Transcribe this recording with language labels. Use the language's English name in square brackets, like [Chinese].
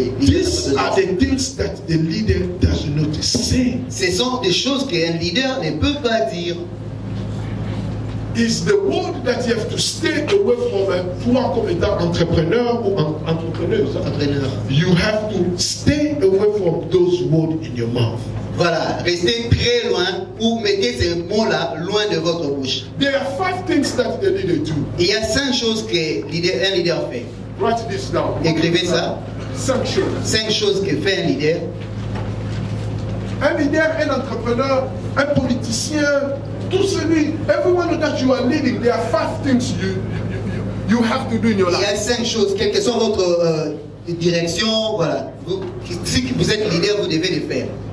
[English] These are the things that the leader doesn't know to say. [French] Ce sont des choses qu'un leader ne peut pas dire. [English] Is the word that you have to stay away from [French] toi comme étant entrepreneur ou entrepreneuse. [English] You have to stay away from those words in your mouth. [French] Voilà, restez très loin ou mettez ces mots-là loin de votre bouche. [English] There are five things that the leader do. [French] Il y a cinq choses que un leader fait. [English] Write this down. [French] Écrivez ça. Cinq choses que fait un leader. Un leader, un entrepreneur, un politicien. Tout celui, [English] everyone that you are leading, there are five things you have to do in your life. [French] Il y a cinq choses, quelle que soit votre direction, voilà. Si vous êtes leader, vous devez les faire.